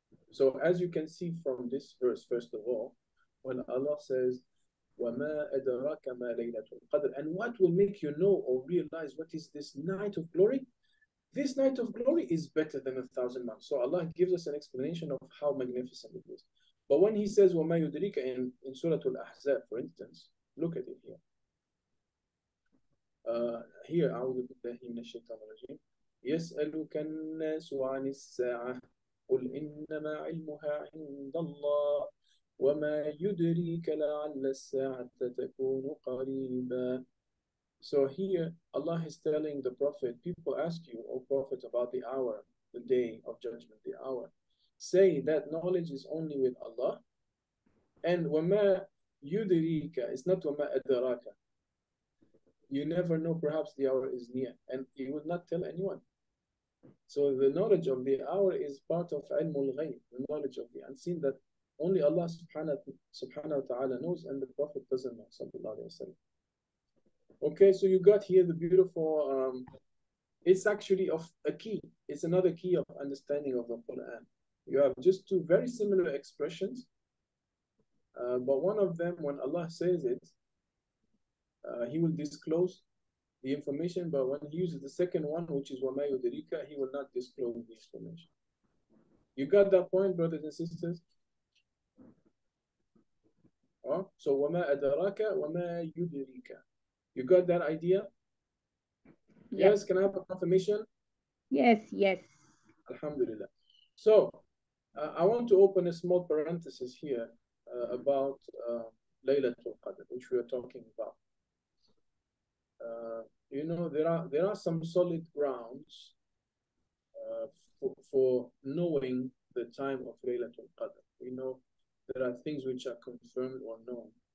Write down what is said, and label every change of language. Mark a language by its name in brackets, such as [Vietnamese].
[English] So as you can see from this verse, first of all, when Allah says, [Arabic] وَمَا أَدْرَاكَ مَا لَيْلَةُ الْقَدْرِ, [English] and what will make you know or realize what is this night of glory? This night of glory is better than 1,000 months. So Allah gives us an explanation of how magnificent it is. But when He says, [Arabic] وَمَا يُدْرِيكَ, [English] in Surah Al-Ahzab, for instance, look at it here. Here, [Arabic] أَعُوذُ بِاللَّهِ مِنَ الشَّيْطَانِ الرَّجِيمِ. يَسْأَلُكَ النَّاسُ عَنِ السَّاعَةِ قُلْ إِنَّمَا عِلْمُهَا عِنْدَ اللَّهِ وَمَا يُدْرِيكَ لَعَلَّ السَّاعَةَ تَكُونُ قَرِيبًا. [English] So here, Allah is telling the Prophet, people ask you, O Prophet, about the hour, the day of judgment, the hour. Say that knowledge is only with Allah. And [Arabic] وَمَا يُدْرِيكَ, [English] it's not [Arabic] وَمَا أَدْرَاكَ. [English] You never know, perhaps the hour is near. And He would not tell anyone. So the knowledge of the hour is part of [Arabic] عِلْمُ الْغَيْبِ, [English] the knowledge of the unseen that only Allah subhanahu wa ta'ala knows, and the Prophet doesn't know, sallallahu alayhi wa sallam. Okay, so you got here the beautiful, it's actually of a key. It's another key of understanding of the Quran. You have just two very similar expressions, but one of them, when Allah says it, He will disclose the information, but when He uses the second one, which is [Arabic] وَمَا يُدْرِيكَ, [English] He will not disclose the information. You got that point, brothers and sisters? So [Arabic] وَمَا أَدْرَاكَ وَمَا يُدْرِيكَ. [English] You got that idea? Yep. Yes, can I have a confirmation? Yes. Alhamdulillah. So, I want to open a small parenthesis here about Laylatul Qadr, which we are talking about. There are some solid grounds for knowing the time of Laylatul Qadr. We know there are things which are confirmed or known.